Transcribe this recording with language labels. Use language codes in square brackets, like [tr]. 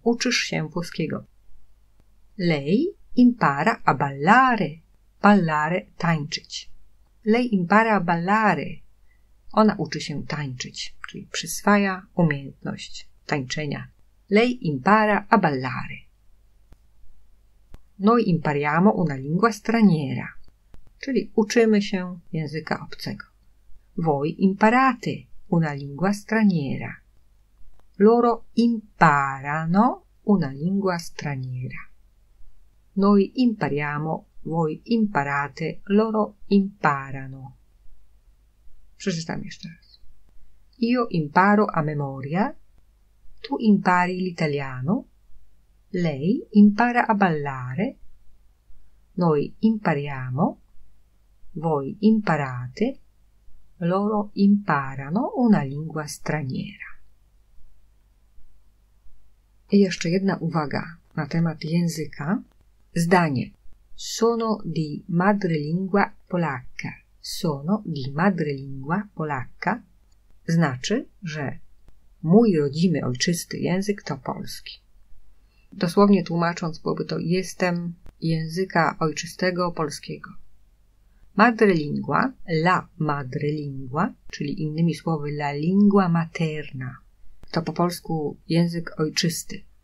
[pl] Uczysz się włoskiego. [it] Lei impara a ballare. Ballare, tańczyć. Lei impara a ballare. [pl] Ona uczy się tańczyć, czyli przyswaja umiejętność tańczenia. [it] Lei impara a ballare. Noi impariamo una lingua straniera. [pl] Czyli uczymy się języka obcego. [it] Voi imparate una lingua straniera. Loro imparano una lingua straniera. Noi impariamo, voi imparate, loro imparano. [pl] Przeczytam jeszcze raz. [it] Io imparo a memoria. Tu impari l'italiano. Lei impara a ballare. Noi impariamo. Voi imparate. Loro imparano una lingua straniera. [pl] I jeszcze jedna uwaga na temat języka. Zdanie. [it] Sono di madrelingua polacca. Sono di madrelingua polacca. [pl] Znaczy, że mój rodzimy, ojczysty język to polski. Dosłownie tłumacząc byłoby to jestem języka ojczystego polskiego. [it] Madrelingua, la madrelingua, [pl] czyli innymi słowy [it] la lingua materna, [pl] to po polsku język ojczysty.